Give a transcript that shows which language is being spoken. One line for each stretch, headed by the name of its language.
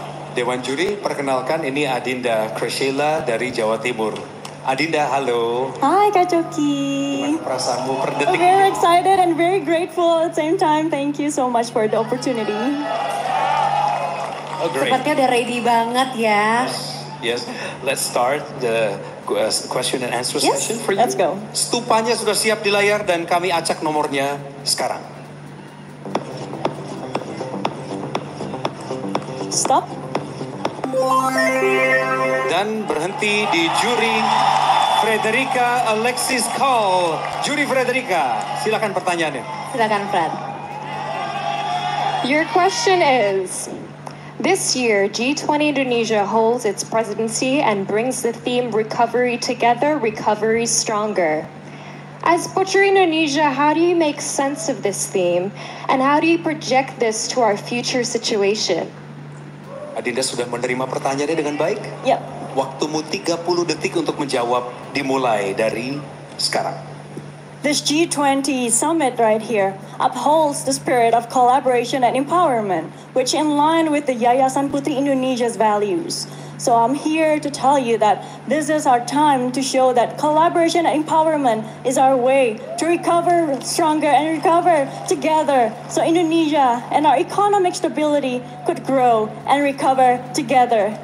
Indonesian: Dewan juri, perkenalkan ini Adinda Kresheila dari Jawa Timur. Adinda, halo. Hai, Kak Coki. Gimana perasaanmu per detik?
English: I'm very excited and very grateful at the same time. Thank you so much for the opportunity. Oh, great.
Indonesian: Sepertinya udah ready banget ya.
English: Yes, let's start the question and answer yes, session for you. Let's go.
Indonesian: Stupanya sudah siap di layar dan kami acak nomornya sekarang.
English: Stop.
Indonesian: Dan berhenti di juri Frederica Alexis Call. Juri Frederica, silakan pertanyaannya. Silakan, Fred.
English: Your question is, this year G20 Indonesia holds its presidency and brings the theme Recovery Together, Recovery Stronger. As Butcher Indonesia, how do you make sense of this theme? And how do you project this to our future situation?
Indonesian: Adinda sudah menerima pertanyaannya dengan baik? Ya. Yep. Waktumu 30 detik untuk menjawab, dimulai dari sekarang.
English: This G20 summit right here upholds the spirit of collaboration and empowerment, which in line with the Yayasan Putri Indonesia's values. So I'm here to tell you that this is our time to show that collaboration and empowerment is our way to recover stronger and recover together so Indonesia and our economic stability could grow and recover together.